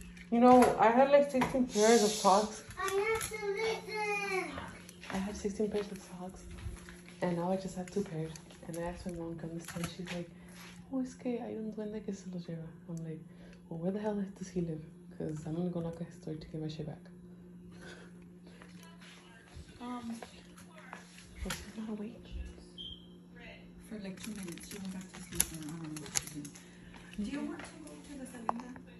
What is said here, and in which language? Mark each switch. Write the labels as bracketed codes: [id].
[en] You know, I had like 16 pairs of socks. I had 16 pairs of socks. And now I just have 2 pairs. And I asked my mom, come this time. She's like, oh, [es] es que hay un duende que se los lleva. [en] I'm like, well, where the hell does he live? Because I'm going to go knock on his door to get my shit back. Well, she's not awake. For like 2 minutes, she went back to sleep. And I don't know what she's doing. Do you want to go to the salina?